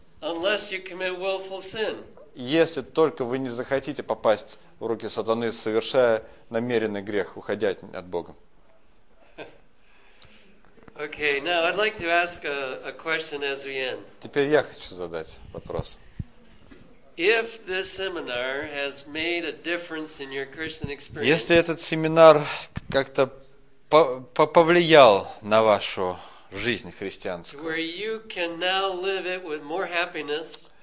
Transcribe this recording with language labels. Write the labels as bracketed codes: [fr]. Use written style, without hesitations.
[en] Unless you commit willful sin. [ru] Если только вы не захотите попасть в руки сатаны, совершая намеренный грех, уходя от Бога. [en] Okay, now I'd like to ask a question as we end. [ru] Теперь я хочу задать вопрос. [en] If this seminar has made a difference in your Christian experience. [ru] Если этот семинар как-то повлиял на вашу жизнь христианскую. [en] Where you can now live it with more happiness.